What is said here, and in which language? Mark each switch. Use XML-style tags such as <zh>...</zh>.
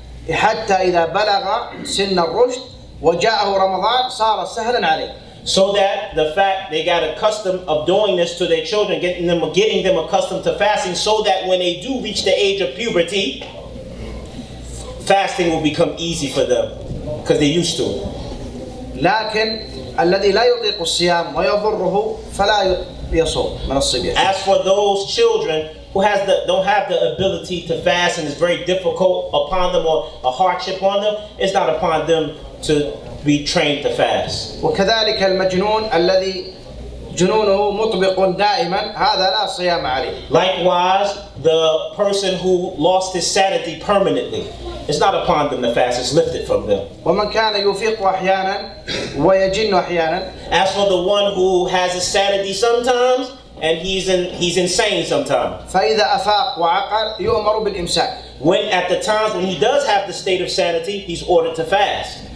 <ar>حتى إذا بلغ سن الرشد وجاءه رمضان صار سهلا عليه.</ar> <en>So that the fact they got accustomed of doing this to their children, getting them accustomed to fasting, so that when they do reach the age of puberty, fasting will become easy for them because they're used to it.</en> <ar>لكن الذي لا يطيق الصيام ويضره فلا يصوم من الصبي.</ar> <en>As for those children who don't have the ability to fast and it's very difficult upon them or a hardship on them, it's not upon them to be trained to fast.</en> <ar>وكذلك المجنون الذي جنونه مطبق دائما هذا لا صيام عليه.</ar> <en>Likewise, the person who lost his sanity permanently, it's not upon them to fast, it's lifted from them.</en> <ar>ومن كان يفيق احيانا ويجن احيانا.</ar> <en>As for the one who has his sanity sometimes and he's insane sometimes.</en> <ar>فإذا أفاق وعقل يؤمر بالإمساك.</ar> <en>When at the times when he does have the state of sanity, he's ordered to fast.</en>